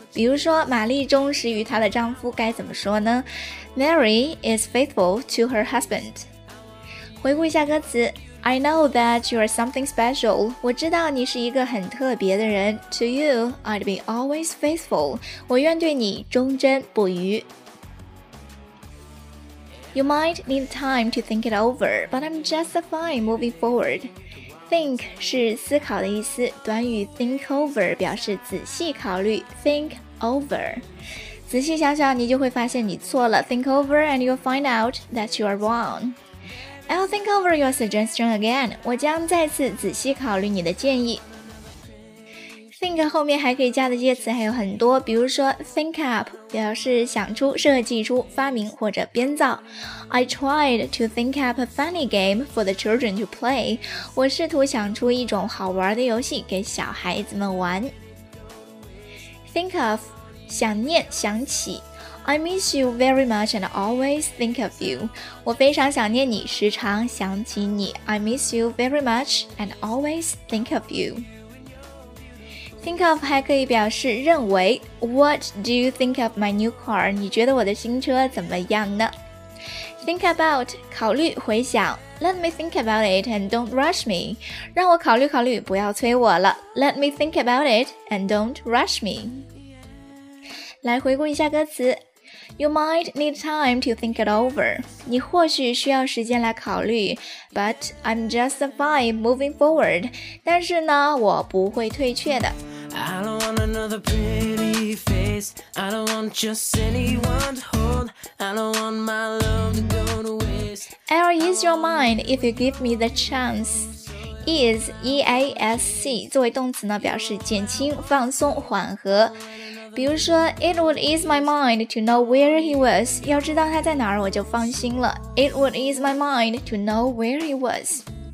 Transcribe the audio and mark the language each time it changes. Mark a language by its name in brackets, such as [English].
[Chinese] 比如说玛丽忠实于她的丈夫该怎么说呢？ [English] Mary is faithful to her husband. [Chinese] 回顾一下歌词， [English] I know that you are something special. [Chinese] 我知道你是一个很特别的人。 [English] To you, I'd be always faithful. [Chinese] 我愿对你忠贞不渝。 [English] You might need time to think it over, but I'm just fine moving forward. [Chinese] Think 是思考的意思，短语 think over 表示仔细考虑， think over. 仔细想想，你就会发现你错了， [English] think over and you'll find out that you are wrong. I'll think over your suggestion again. [Chinese] 我将再次仔细考虑你的建议。 Think 后面还可以加的介词还有很多，比如说 think up 表示想出、设计出、发明或者编造。 [English] I tried to think up a funny game for the children to play. [Chinese] 我试图想出一种好玩的游戏给小孩子们玩。 Think of 想念、想起。 [English] I miss you very much and always think of you. [Chinese] 我非常想念你，时常想起你。 [English] I miss you very much and always think of you. Think of [Chinese] 还可以表示认为。 [English] What do you think of my new car? [Chinese] 你觉得我的新车怎么样呢？ Think about 考虑、回想。 [English] Let me think about it and don't rush me. [Chinese] 让我考虑考虑，不要催我了。 [English] Let me think about it and don't rush me. [Chinese] 来回顾一下歌词。 [English] You might need time to think it over. [Chinese] 你或许需要时间来考虑。 [English] But I'm just fine moving forward. [Chinese] 但是呢，我不会退却的。 [English] I don't want another pretty face. I don't want just anyone to hold. I don't want my love to go to waste. I'll ease your mind if you give me the chance. [Chinese] Ease, E-A-S-C, 作为动词呢，表示减轻、放松、缓和。比如说 [English] It would ease my mind to know where he was. [Chinese] 要知道他在哪儿，我就放心了。 [English] It would ease my mind to know where he was.